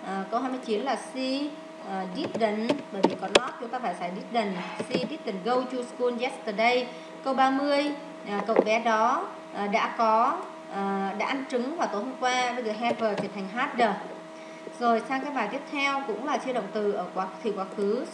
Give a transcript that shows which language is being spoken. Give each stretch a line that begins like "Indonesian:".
Vietnamese: Câu 29 là didn't, bởi vì có not chúng ta phải xài didn't.
English: She didn't go to school yesterday.
Vietnamese: Câu 30, cậu bé đó đã ăn trứng vào tối hôm qua. Bây giờ have trở thành had. Rồi sang cái bài tiếp theo cũng là chia động từ ở quá khứ.